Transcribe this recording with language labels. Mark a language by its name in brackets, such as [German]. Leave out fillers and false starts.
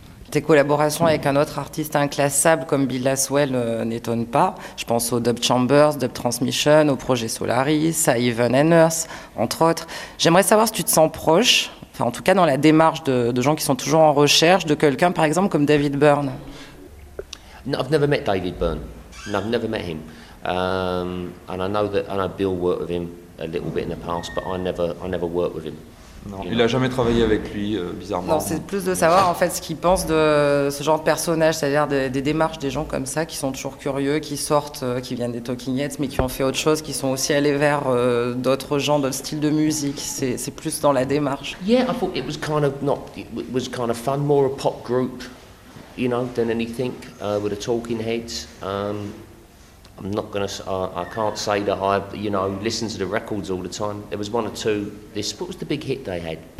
[French] Tes collaborations avec un autre artiste inclassable comme Bill Laswell n'étonnent pas. Je pense au Dub Chambers, Dub Transmission, au projet Solaris, à Even and Earth, entre autres. J'aimerais savoir si tu te sens proche, enfin, en tout cas dans la démarche de gens qui sont toujours en recherche, de quelqu'un, par exemple, comme David Byrne. [English] No, I've never met David Byrne. No, I've never met him. And I know Bill worked with him a little bit in the past, but I never worked with him. [French] Non, il n'a jamais travaillé avec lui, bizarrement. Non, c'est plus de savoir en fait ce qu'il pense de ce genre de personnage, c'est-à-dire des démarches des gens comme ça, qui sont toujours curieux, qui sortent, qui viennent des Talking Heads, mais qui ont fait autre chose, qui sont aussi allés vers d'autres genres, d'autres styles de musique. C'est plus dans la démarche. [English] Yeah, I thought it was kind of not. It was kind of fun, more a pop group, you know, than anything with the Talking Heads. I can't say that I, you know, listen to the records all the time. There was one or two. What was the big hit they had?